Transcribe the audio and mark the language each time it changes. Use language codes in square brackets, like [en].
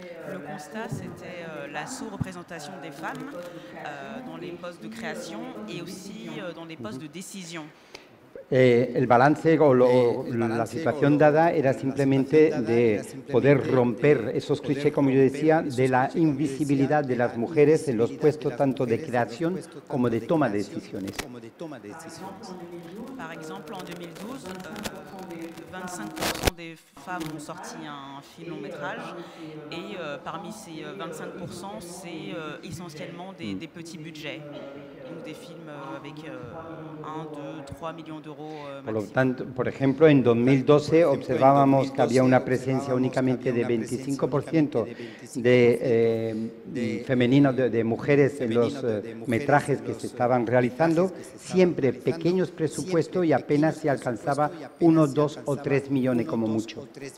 [fr] Le constat, c'était la sous-représentation des femmes dans les postes de création et aussi dans les postes de décision. [es] El balance o la situación dada era simplemente de poder romper esos clichés, como yo decía, de la invisibilidad de las mujeres en los puestos tanto de creación como de toma de decisiones. Por ejemplo, [fr] en 2012, 25% de femmes ont sorti un film long métrage, et parmi ces 25%, c'est essentiellement des petits budgets, donc des films avec 1, 2, 3 millions d'euros. [es] Por lo tanto, por ejemplo, en 2012 observábamos que había una presencia únicamente de 25% de femeninos, de mujeres en los metrajes que se estaban realizando, siempre pequeños presupuestos y apenas se alcanzaba 1, 2 o 3 millones como mucho.